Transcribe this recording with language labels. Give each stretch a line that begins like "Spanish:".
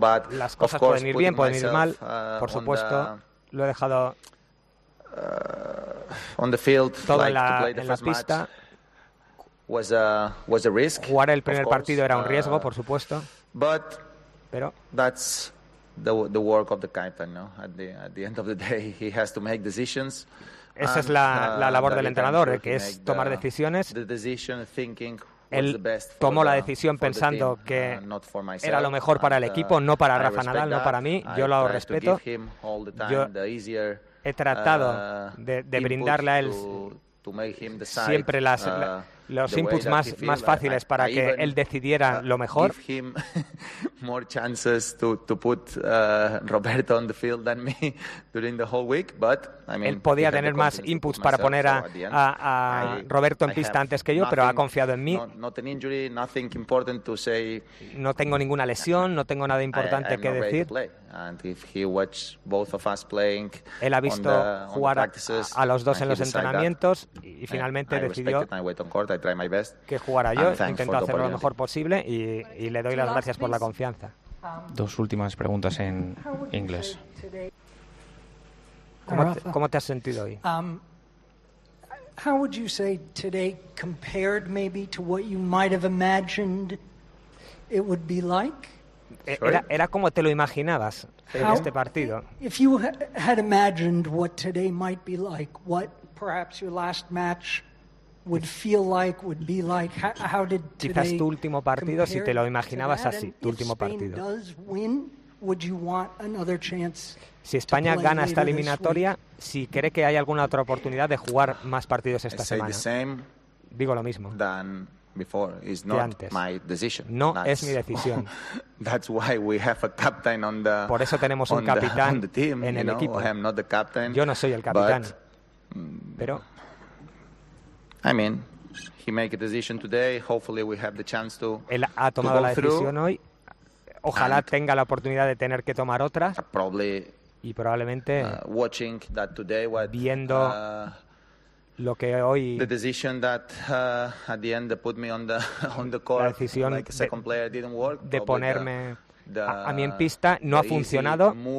Spanish: Las cosas pueden ir bien, pueden ir mal. Por supuesto, lo he dejado todo en la pista. Jugar el primer partido era un riesgo, por supuesto. Pero
English: that's the work of the captain, no? At the end of the day, he has to make decisions.
Spanish: Esa es la labor del entrenador, que es tomar decisiones. Él tomó la decisión pensando que era lo mejor para el equipo, no para Rafa Nadal, no para mí. Yo lo respeto. Yo he tratado de brindarle a él siempre los inputs más fáciles para que él decidiera lo mejor.
English: More chances to put Roberto on the field than me during the whole week, but I mean,
Spanish: él podía tener más inputs para poner a Roberto en pista antes que yo, pero ha confiado en mí. No tengo ninguna lesión, no tengo nada importante que decir.
English: And if he watched both of us playing,
Spanish: él ha visto jugar a los dos en los entrenamientos y finalmente decidió que jugara yo. Intento hacer lo mejor posible y le doy las gracias por la confianza. Dos últimas preguntas en inglés. ¿Cómo te has sentido hoy?
English: How would you say today compared maybe to what you might have imagined it would be like?
Spanish: Era como te lo imaginabas en este partido.
English: If you had imagined what today might be like, what perhaps your last match would feel like, would be like, how did today?
Spanish: Quizás tu último partido, si te lo imaginabas así, tu último partido.
English: Would you want another chance?
Spanish: Si España gana esta eliminatoria, si cree que hay alguna otra oportunidad de jugar más partidos esta semana. Digo lo mismo.
English: Before is not my decision. No, that's,
Spanish: es mi decisión.
English: That's why we have a captain on the.
Spanish: Por eso tenemos un capitán
English: team,
Spanish: en el equipo.
English: I am not the captain.
Spanish: Yo no soy el capitán. Pero.
English: I mean, he made a decision today. Hopefully, we have the chance to.
Spanish: Él ha tomado la decisión hoy. Ojalá tenga la oportunidad de tener que tomar otra.
English: Probably.
Spanish: Y probablemente.
English: Watching that today, what.
Spanish: Viendo. Lo que hoy
English: the decision that at the end put me on the court,
Spanish: la decisión
English: like a second player didn't work,
Spanish: de ponerme a mí en pista no ha funcionado.